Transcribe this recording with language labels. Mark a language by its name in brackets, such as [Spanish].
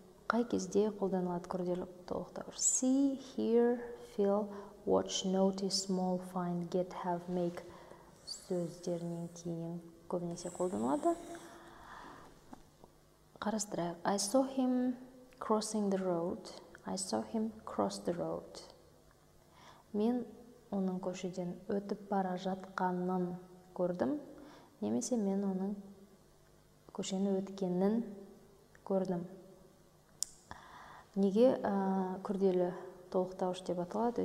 [Kazakh] Қай кезде қолданылады күрделі толықтауыш? See, hear, feel, watch, notice, small, find, get, have, make сөздерінен кейін көбінесе қолданылады. Қарастырайық. [English] I saw him crossing the road. I saw him cross the road. [Kazakh] Мен оның көшеден өтіп бара жатқанын көрдім. Немесе мен оның көшені өткенін көрдім. Неге күрделі толықтауыш деп аталады?